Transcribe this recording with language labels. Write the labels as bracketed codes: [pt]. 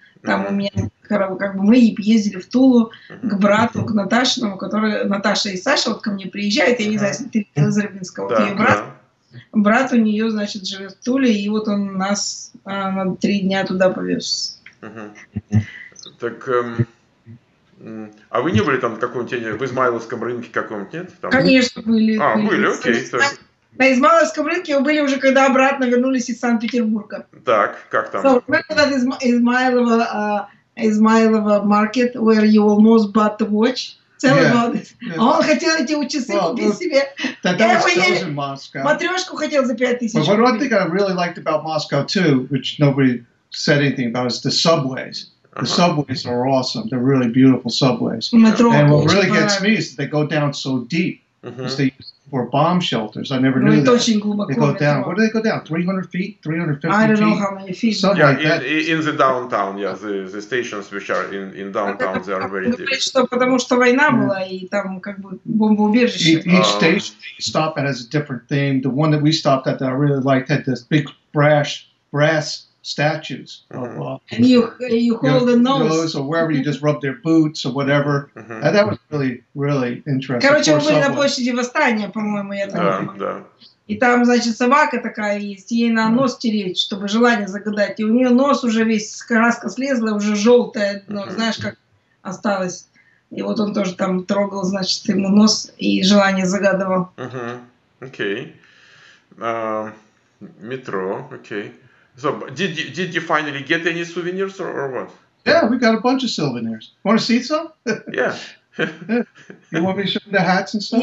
[ru] Там у меня, как бы, мы ездили в Тулу к брату, к Наташиному, который, Наташа и Саша вот ко мне приезжают, я не знаю, если ты видел из Рыбинска, вот ее брат, брат у нее, значит, живет в Туле, и вот он нас на 3 дня туда повез. Так, а вы не были там в каком-нибудь, в Измайловском рынке каком-нибудь, нет? Там... Конечно, были. А, были, окей. На Измайловском рынке мы были уже, когда обратно вернулись из Санкт-Петербурга. Так, как там? [en] So, we went to Измайлова market, where you almost bought the watch. Tell about this. [ru] А он хотел эти часы купить себе. Матрешку хотел за 5000. [en] But one thing I really liked about Moscow too, which nobody said anything about, is the subways. The subways are awesome. They're really beautiful subways. And what really gets me is that they go down so deep. Or bomb shelters. I never knew that. They go down. Where do they go down? 300 feet? 350 feet? I don't know how many feet. In the downtown, yeah. The stations which are in downtown, they are very deep. Each station you stop at has a different theme. The one that we stopped at that I really liked had this big brass statues. And you hold the nose. Or wherever you just rub their boots or whatever. That was really, really interesting. [ru] Короче, вы были на площади Восстания, по-моему, я так понимаю. Да. И там, значит, собака такая есть, ей на нос тереть, чтобы желание загадать. И у нее нос уже весь, краска слезла, уже желтая, но знаешь, как осталось. И вот он тоже там трогал, значит, ему нос и желание загадывал. Окей. Метро, окей. [en] So, did you finally get any souvenirs or what? Yeah, we got a bunch of souvenirs. Want to see some? Yeah. You want me to show the hats and stuff?